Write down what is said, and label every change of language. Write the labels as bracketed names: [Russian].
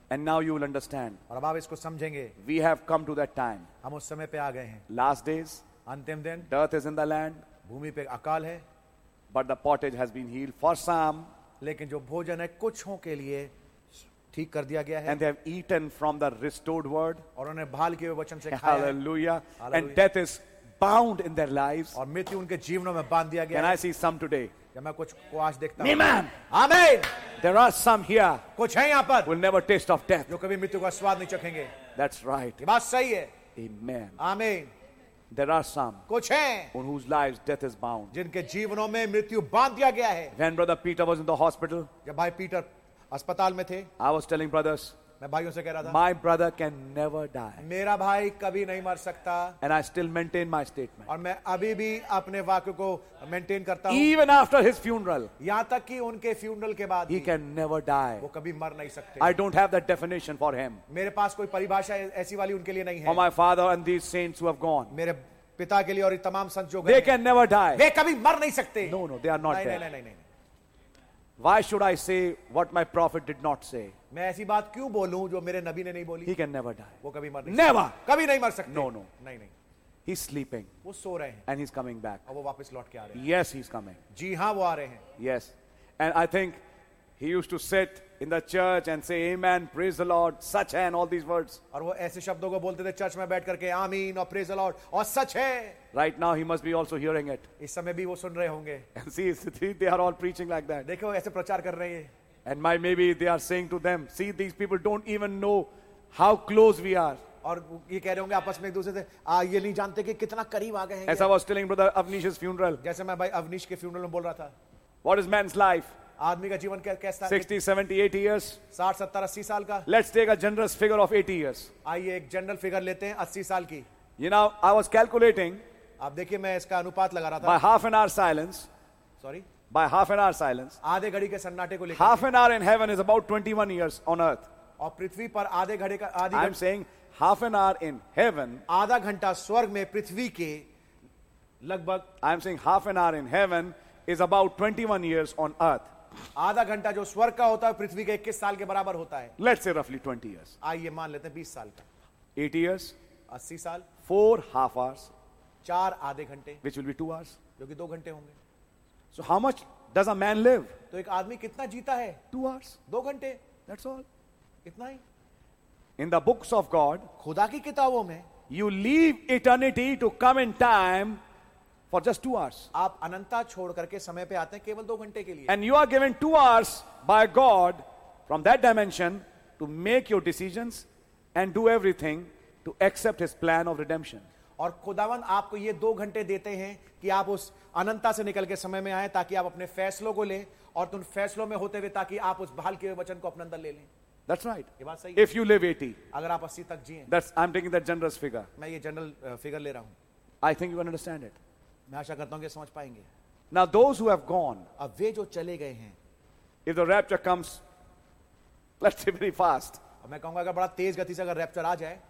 [English] And now you will understand. [Hindi] और अब आप इसको समझेंगे. [English] We have come to that time. [Hindi] हम उस समय पे आ गए हैं. [English] Last days. [Hindi] अंतिम दिन. [English] Dearth is in the land. [Hindi] भूमि पे अकाल है. [English] But the pottage has been healed for some. [Hindi] लेकिन जो भोजन है कुछों के लिए ठीक कर दिया गया है. [English] And they have eaten from the restored word. [Hindi] और उन्हें भाल के वचन से खाया. Hallelujah. [English] And death is bound in their lives. [Hindi] और मृत्यु उनके जीवनों में बांध दिया गया. [English] Can I see some today? [Hindi] मैं कुछ को आज देखता हूं. Amen. [English] Amen. There are some here. [Hindi] कुछ है यहां पर. [English] Will never taste of death. [Hindi] जो कभी मृत्यु का स्वाद नहीं चखेंगे. [English] That's right. [Hindi] ये बात सही है. [English] Amen. Amen. There are some. [Hindi] कुछ है. [English] On whose lives death is bound. [Hindi] जिनके जीवनों में मृत्यु बांध दिया गया है. [English] When brother Peter was in the hospital. [Hindi] जब भाई पीटर अस्पताल में थे. [English] I was telling brothers. [Hindi] मैं भाइयों से कह रहा था. [English] My brother can never die. [Hindi] मेरा भाई कभी नहीं मर सकता. [English] And I still maintain my statement. [Hindi] और मैं अभी भी अपने वाक्य को maintain करता [English] हूँ. Even after his funeral. [Hindi] यहाँ तक कि उनके funeral के बाद. [English] He can never die. [Hindi] वो कभी मर नहीं सकते. [English] I don't have that definition for him. [Hindi] मेरे पास कोई परिभाषा ऐसी वाली उनके लिए नहीं है. [English] For my father and these saints who have gone. [Hindi] मेरे पिता के लिए और तमाम संत जो गए. [English] They can never die. [Hindi] वे कभी मर नहीं सकते. [English] No, no, they are not there. [Hindi] नहीं, नहीं, [English] Why should I say what my prophet did not say? [Hindi] मैं ऐसी बात क्यों बोलूं जो मेरे नबी ने नहीं बोली? [English] He can never die. [Hindi] वो कभी मर नहीं. [English] Never. [Hindi] कभी नहीं मर सकते. [English] No, no. [Hindi] नहीं, नहीं. [English] He's sleeping. [Hindi] वो सो रहे हैं. [English] And he's coming back. [Hindi] और वो वापस लौट के आ रहे हैं. [English] Yes, he's coming. [Hindi] जी हाँ, वो आ रहे हैं. [English] Yes. And I think he used to sit in the church and say, "Amen, praise the Lord, such है," and all these words. [Hindi] और वो ऐसे शब्दों को बोलते थे चर्च में बैठ करके, "Amen, और [English] praise the Lord, [Hindi] और सच है." [English] Right now he must be also hearing it. [Hindi] इस समय भी वो सुन रहे होंगे. [English] And see, they are all preaching like that. [Hindi] देखो ऐसे प्रचार कर रहे हैं. [English] And my maybe they are saying to them, see these people don't even know how close we are. [Hindi] और ये कह रहे होंगे आपस में एक दूसरे से, ये नहीं जानते कि कितना करीब आ गए हैं. [English] As I was telling brother Avnish's funeral. [Hindi] जैसे मैं भाई अवनीश के फ्यूनरल में बोल रहा था. [English] What is man's life? [Hindi] आदमी का जीवन कैसा है? [English] 60, 70, 80 years. [Hindi] 60, 70, 80 साल का. [English] Let's take a generous figure of 80 years. [Hindi] आइए एक जनरल फिगर लेते हैं 80 साल की. [English] You know, I was calculating. [Hindi] आप देखिए मैं इसका अनुपात लगा रहा था. [English] By half an hour silence. Sorry. By half an hour silence. [Hindi] आधे घड़ी के सन्नाटे को लेकर. [English] Half an hour in heaven is about 21 years on earth. [Hindi] और पृथ्वी पर आधे घड़े का आधी. [English] I'm saying half an hour in heaven. [Hindi] आधा घंटा स्वर्ग में पृथ्वी के लगभग. [English] I'm saying half an hour in heaven is about 21 years on earth. [Hindi] आधा घंटा जो स्वर्ग का होता है पृथ्वी के 21 साल के बराबर होता है. [English] Let's say roughly 20 years. [Hindi] आइए मान लेते हैं 20 साल का. [English] 80 years. [Hindi] 80 साल. [English] 4 half hours. [Hindi] चार आधे घंटे. [English] Which will be 2 hours. [Hindi] जो कि 2 घंटे होंगे. [English] So how much does a man live? [Hindi] तो एक आदमी कितना जीता है? [English] 2 hours. [Hindi] 2 घंटे. [English] That's all. [Hindi] इतना ही. [English] In the books of God. [Hindi] खुदा की किताबों में. [English] You leave eternity to come in time. For just 2 hours. [Hindi] आप अनंता छोड़ करके समय पे आते हैं केवल 2 घंटे के लिए. [English] And you are given 2 hours by God from that dimension to make your decisions and do everything to accept His plan of redemption. [Hindi] और खुदावन आपको ये 2 घंटे देते हैं कि आप उस अनंता से निकल के समय में आए ताकि आप अपने फैसलों को लें और उन फैसलों में होते हुए ताकि आप उस बहाल किए वचन को अपने अंदर ले लें. [English] That's right. [Hindi] ये बात सही. [English] If you live 80, [Hindi] अगर आप 80 तक जिए. [English] That's I'm taking that generous figure. [Hindi] मैं ये जनरल फिगर ले रहा हूं. [English] I think you can understand it. [Hindi] मैं आशा करता हूं कि समझ पाएंगे. [English] Now those who have gone, [Hindi] अब वे जो चले गए हैं, [English] if the rapture comes, let's say very fast, [Hindi] और मैं कहूंगा अगर बड़ा तेज गति से अगर रैप्चर आ जाए,